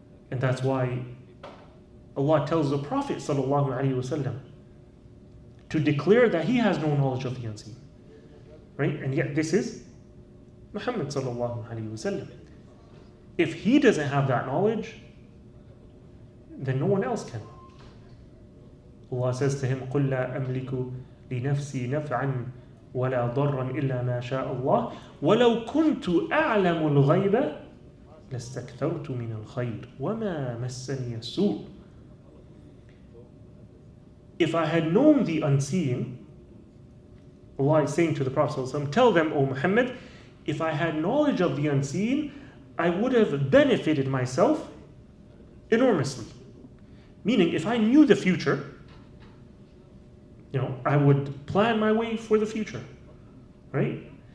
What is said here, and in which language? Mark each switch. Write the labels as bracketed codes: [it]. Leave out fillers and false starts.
[en] And that's why Allah tells the Prophet sallallahu alaihi wasallam to declare that he has no knowledge of the unseen. Right? And yet this is Muhammad sallallahu alaihi wasallam. If he doesn't have that knowledge, then no one else can. Allah says to him, [ar] قُلْ لَا أَمْلِكُ لِنَفْسِي نَفْعًا وَلَا ضَرًّا إِلَّا مَا شَاءَ اللَّهِ وَلَوْ كُنْتُ أَعْلَمُ الْغَيْبَ لَسْتَكْثَرْتُ مِنَ الْخَيْرِ وَمَا مَسَّنِيَ السُّوءِ. [en] If I had known the unseen, Allah is saying to the Prophet ﷺ, tell them, O Muhammad, if I had knowledge of the unseen, I would have benefited myself enormously. Meaning, if I knew the future, I would plan my way for the future, right?